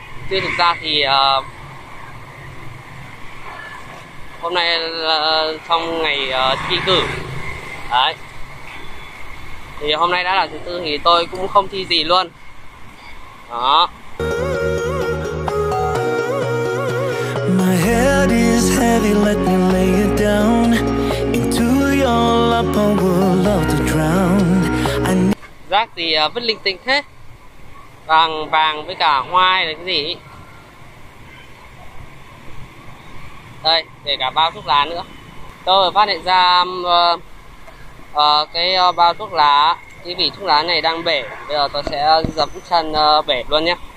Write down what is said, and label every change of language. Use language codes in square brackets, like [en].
[vi] Chứ thực ra thì hôm nay trong ngày thi cử. Đấy. Thì hôm nay đã là thứ tư thì tôi cũng không thi gì luôn. Đó. [en] My head is heavy, let me lay it down. Into your lap, I would love to drown. [vi] Rác thì vứt linh tinh thế. Vàng vàng với cả hoai là cái gì? Đây, để cả bao thuốc lá nữa. Tôi vừa phát hiện ra cái bao thuốc lá. Cái vỉ thuốc lá này đang bể, bây giờ tôi sẽ dập chân bể luôn nhé.